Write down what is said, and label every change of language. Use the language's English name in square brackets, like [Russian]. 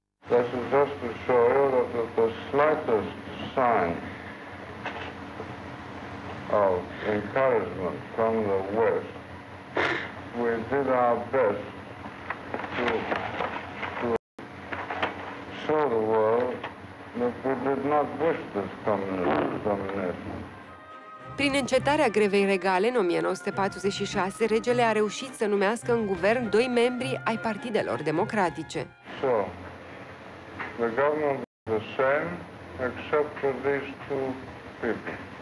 [English] This is just to show you that at the slightest sign of encouragement from the West, we did our best to show the world that we did not wish this communism. [Romanian] Prin încetarea grevei regale în 1946, regele a reușit să numească în guvern doi membri ai partidelor democratice. [English] So, the government is the same except for these two people.